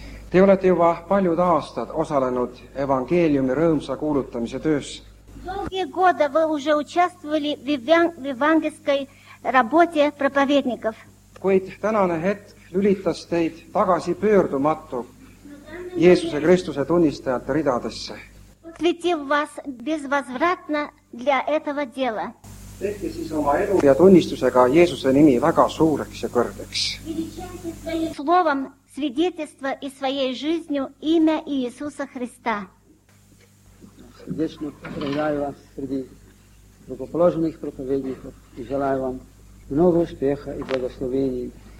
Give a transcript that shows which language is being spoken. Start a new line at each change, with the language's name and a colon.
Estonian: Te olete juba paljud aastad osalenud evangeeliumi rõõmsa kuulutamise töös.
Russian: Долгие годы вы уже участвовали в евангельской работе проповедников.
Estonian: Kuid tänane hetk lülitas teid tagasi pöördumatu Jeesuse Kristuse tunnistajate ridadesse.
Russian: Ответил вас безвозвратно для этого дела.
Estonian: Tehke siis oma elu ja tunnistusega Jeesuse nimi väga suureks ja kõrgeks.
Russian: Словом свидетельство и своей жизнью имя Иисуса Христа. Сердечно поздравляю вас среди благоположенных проповедников и желаю вам много успеха и благословений.